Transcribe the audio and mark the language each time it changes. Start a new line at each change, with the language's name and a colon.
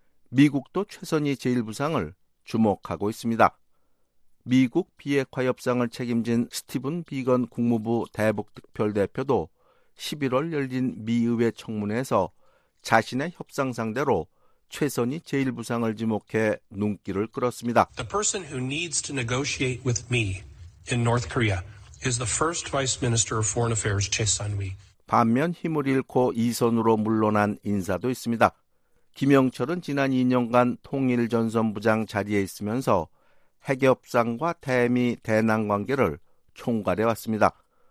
Korean: 미국도 최선희 제1부상을 주목하고 있습니다. 미국 비핵화 협상을 책임진 스티븐 비건 국무부 대북특별대표도 11월 열린 미의회 청문회에서 자신의 협상 상대로 최선희 제1부상을 지목해 눈길을 끌었습니다.
English: The person who needs to negotiate with me in North Korea is the first Vice Minister of Foreign Affairs, Choi Sun-mi.
Korean: 반면 힘을 잃고 2선으로 물러난 인사도 있습니다. 김영철은 지난 2년간 통일전선부장 자리에 있으면서 핵협상과 대미 대남관계를 총괄해왔습니다.